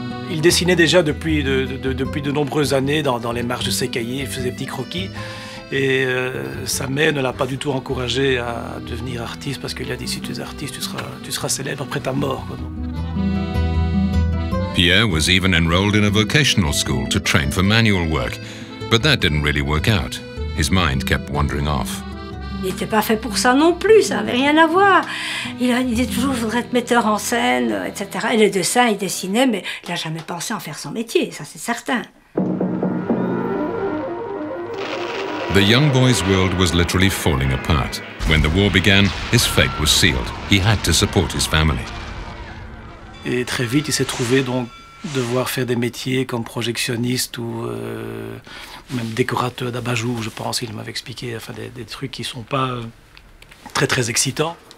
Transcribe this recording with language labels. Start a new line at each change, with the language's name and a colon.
French: Il dessinait déjà depuis de nombreuses années dans les marges de ses cahiers. Il faisait des petits croquis. Et sa mère ne l'a pas du tout encouragé à devenir artiste parce qu'il a dit si tu es artiste, tu seras célèbre après ta mort. Quoi.
English: Pierre was even enrolled in a vocational school to train for manual work, but that didn't really work out. His mind kept wandering off.
French: Il n'était pas fait pour ça non plus, ça n'avait rien à voir. Il disait toujours qu'il voudrait être metteur en scène, etc. Et les dessins, il dessinait, mais il n'a jamais pensé en faire son métier, ça c'est certain.
English: The young boy's world was literally falling apart. When the war began, his fate was sealed. He had to support his family.
French: Et très vite, il s'est trouvé donc devoir faire des métiers comme projectionniste ou même décorateur d'abat-jour, je pense, il m'avait expliqué, enfin des trucs qui sont pas très très excitants.